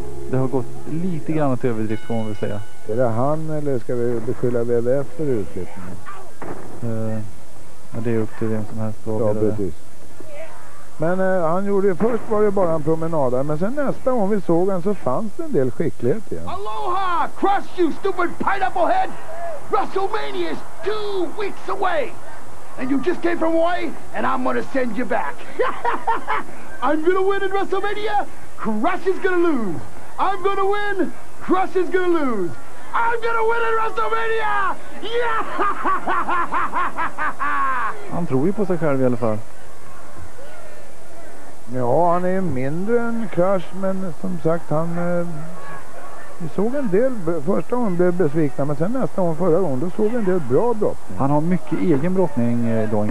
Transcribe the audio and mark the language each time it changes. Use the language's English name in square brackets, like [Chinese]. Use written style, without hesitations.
[Swedish] Det har gått lite grann åt överdrift, får man väl säga. Är det han, eller ska vi beskylla WWF för utflippningen? Ja, det är upp till vem som helst. Ja, precis. Men han gjorde det, först var det bara en promenad, men sen nästa gång vi såg han så fanns det en del skicklighet igen. [English] Aloha! Crush, you stupid pineapple head! WrestleMania is 2 weeks away! And you just came from Hawaii, and I'm gonna send you back. I'm gonna win in WrestleMania, Crush is gonna lose. I'm gonna win, Crush is gonna lose. I'm gonna win in WrestleMania! Yeah! [Swedish] Han tror ju på sig själv i alla fall. Ja, han är ju mindre än Crush, men som sagt, han... Vi såg en del, första gången blev besvikna, men sen nästa gång, förra gången, då såg vi en del bra brottning. Han har mycket egen brottning, Doink.